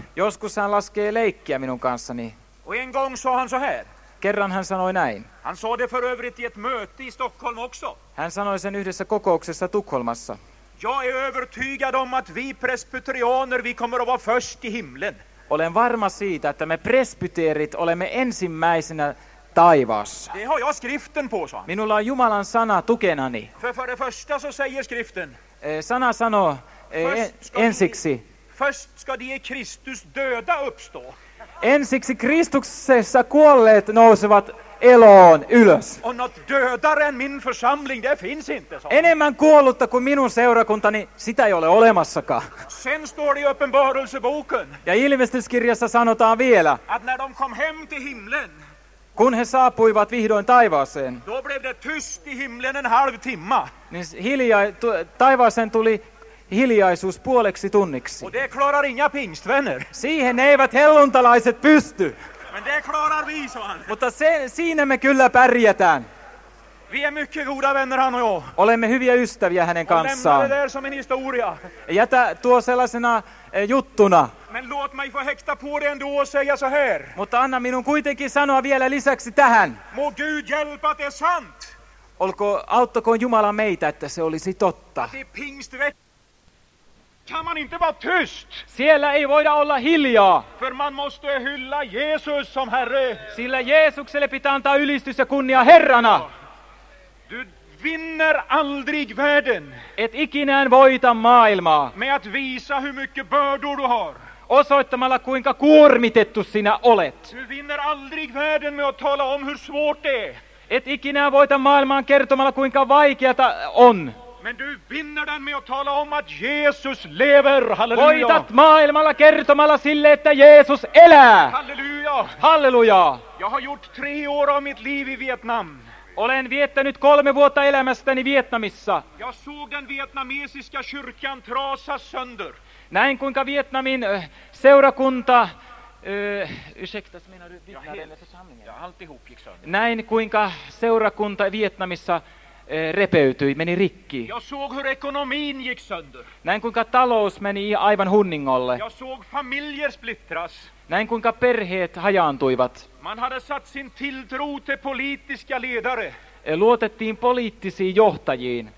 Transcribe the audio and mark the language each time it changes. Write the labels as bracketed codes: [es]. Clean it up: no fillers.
[fi] Joskus hän laskee leikkiä minun kanssani. [sv] Och en gång sa han så här. [fi] Kerran hän sanoi näin. [sv] Han sa det för övrigt i ett möte i Stockholm också. [fi] Hän sanoi sen yhdessä kokouksessa Tukholmassa. [sv] Jag är övertygad om att vi presbyterianer, vi kommer att vara först i himlen. [fi] Olen varma siitä, että me presbyteerit olemme ensimmäisenä taivaassa. [sv] Det har jag skriften på, sa han. [fi] Minulla on Jumalan sana tukenani. [sv] För det första så säger skriften. [fi] Sana sanoo. Ensiksi. [sv] Först ska de Kristus döda uppstå. [fi] Ensiksi Kristuksessa kuolleet nousevat eloon ylös. [sv] Och något dödare än min församling, det finns inte. [fi] Enemmän kuollutta kuin minun seurakuntani, sitä ei ole olemassakaan. [sv] Sen står det i uppenbarelseboken. [fi] Ja ilmestyskirjassa sanotaan vielä. [sv] Att när de kom hem till himlen. [fi] Kun he saapuivat vihdoin taivaaseen. [sv] Då blev det tyst i himlen en halv timma. [fi] Niin taivaaseen tuli hiljaisuus puoleksi tunniksi. [sv] Och det klarar inga pingstvänner. [fi] Siihen eivät helluntalaiset pysty. [sv] Men det klarar vi, sa han. [fi] Mutta siinä me kyllä pärjätään. [sv] Vi är mycket goda vänner, han och jag. [fi] Olemme hyviä ystäviä hänen kanssaan. [sv] Och lämna det där som en historia. [fi] Jätä tuo sellaisena juttuna. [sv] Men låt mig få häkta på det ändå och säga så här. [fi] Mutta anna minun kuitenkin sanoa vielä lisäksi tähän. [sv] Må Gud hjälpa, det är sant. [fi] Auttakoon Jumala meitä, että se olisi totta. [sv] Att det är pingstvänner. Kan man inte vara tyst? [fi] Siellä ei voida olla hiljaa. [sv] För man måste hylla Jesus som herre. [fi] Sillä Jeesukselle pitää antaa ylistys ja kunnia herrana. [sv] Du vinner aldrig världen. [fi] Et ikinään voita maailmaa. [sv] Med att visa hur mycket bördor du har. [fi] Osoittamalla kuinka kuormitettu sinä olet. [sv] Du vinner aldrig världen med att tala om hur svårt det är. [fi] Et ikinään voita maailmaan kertomalla kuinka vaikeata on. [sv] Men du vinner den med att tala om att Jesus lever. Halleluja. [fi] Voitat maailmalla kertomalla sille, että Jeesus elää. Halleluja. Halleluja. [sv] Jag har gjort 3 år av mitt liv i Vietnam. [fi] Olen viettänyt 3 vuotta elämästäni Vietnamissa. [sv] Jag såg den vietnamesiska kyrkan trasa sönder. [fi] Näin kuinka Vietnamin seurakunta... [sv] ursäkta, menar du vittnaren eller församlingen? Ja, alltihop gick sönder. [fi] Näin kuinka seurakunta Vietnamissa... repeytyi, meni rikki. [sv] Jag såg hur ekonomin gick sönder. [fi] Näin kuinka talous meni aivan hunningolle. [sv] Jag såg familjer splittras. [fi] Näin kuinka perheet hajaantuivat. [sv] Man hade satt sin tilltro till politiska ledare. [fi] Luotettiin poliittisiin johtajiin.